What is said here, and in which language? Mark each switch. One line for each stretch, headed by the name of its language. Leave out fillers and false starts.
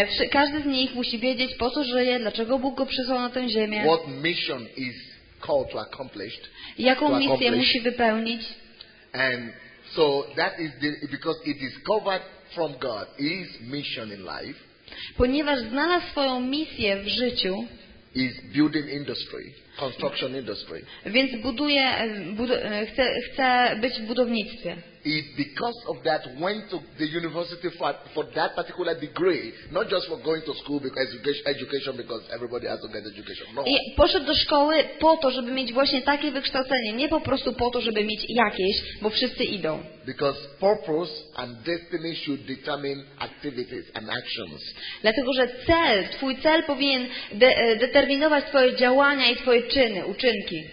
Polish: Każdy z nich musi wiedzieć, po co żyje, dlaczego Bóg go przysłał na tę ziemię.
English: What mission is called to accomplish?
Polish: Jaką misję musi wypełnić?
English: And so that is the, because he discovered from God his mission in life.
Polish: Ponieważ znalazł swoją misję w życiu.
English: Is building industry, construction industry.
Polish: Więc buduje, chce być w budownictwie.
English: It because of that went to the university for that particular degree, not just for going to school because education because everybody has to get education. No.
Polish: I poszedł do szkoły po to, żeby mieć właśnie takie wykształcenie, nie po prostu po to, żeby mieć jakieś, bo wszyscy idą.
English: Because purpose and destiny should determine activities and actions.
Polish: Dlatego, że cel, twój cel powinien determinować twoje działania i twoje czyny, uczynki.